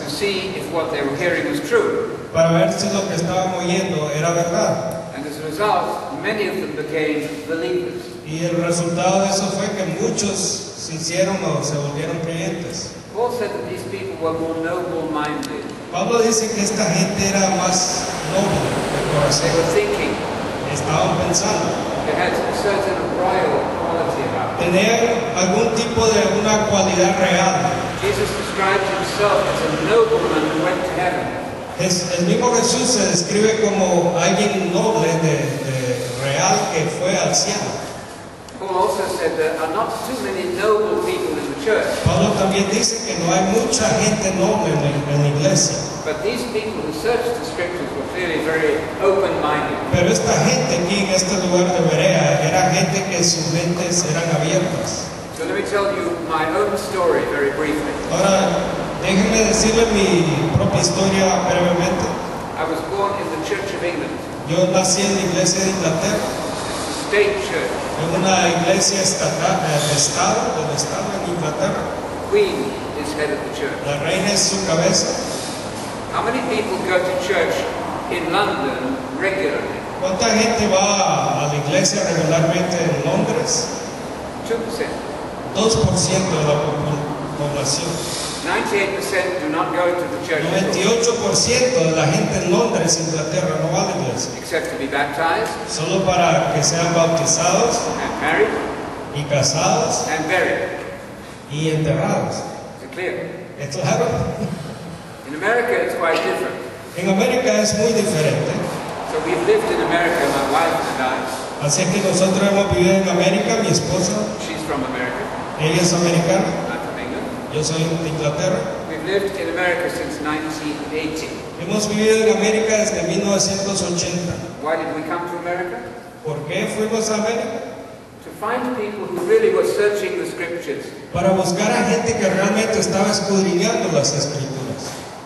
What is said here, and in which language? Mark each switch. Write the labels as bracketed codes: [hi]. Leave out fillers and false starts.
[en] to see if what they were hearing was true. [es] Para ver si lo que estaban oyendo era verdad. [en] And as a result, many of them became believers. [es] Y el resultado de eso fue que muchos se hicieron o se volvieron creyentes. [en] Paul said that these people were more noble-minded. [es] Pablo dice que esta gente era más noble de corazón. [en] They were thinking. [es] Estaban pensando. [en] They had a certain royal quality about them. [es] Tenían algún tipo de una cualidad real. [en] Jesus described himself as a nobleman who went to heaven. [es] El mismo Jesús se describe como alguien noble de real que fue al cielo. [en] Paul also said there are not too many noble people in the church. [es] Pablo también dice que no hay mucha gente noble en la iglesia. [en] But these people who searched the scriptures were clearly very open-minded. [es] Pero esta gente aquí en este lugar de Berea era gente que sus mentes eran abiertas. [en] So let me tell you my own story very briefly. [es] Ahora, déjenme decirle mi propia historia brevemente. [en] I was born in the Church of England. [es] Yo nací en la Iglesia de Inglaterra. [en] State church. [es] En una iglesia estatal, del estado en Inglaterra. [en] Queen is head of the church. [es] La reina es su cabeza. [en] How many people go to church in London regularly? [es] ¿Cuánta gente va a la iglesia regularmente en Londres? [en] 2%. [es] 2% de la población. [en] 98% do not go to the church. [es] 98% de la gente en Londres, Inglaterra, no va a la iglesia. [en] Except to be baptized. [es] Solo para que sean bautizados. [en] And married. [es] Y casados. [en] And buried. [es] Y enterrados. [en] Is it clear? It's claro. In America, it's quite different. [es] En América es muy diferente. [en] So we've lived in America, my wife and I. [es] Así es que nosotros hemos vivido en América, mi esposa. [en] She's from America. [es] Ella es americana. Yo soy de Inglaterra. [en] We've lived in America since [es] 1980. Hemos vivido en América desde 1980. [en] Why did we come to America? [es] ¿Por qué fuimos a América? [en] To find people who really were searching the scriptures. [es] Para buscar a gente que realmente estaba escudriñando las escrituras.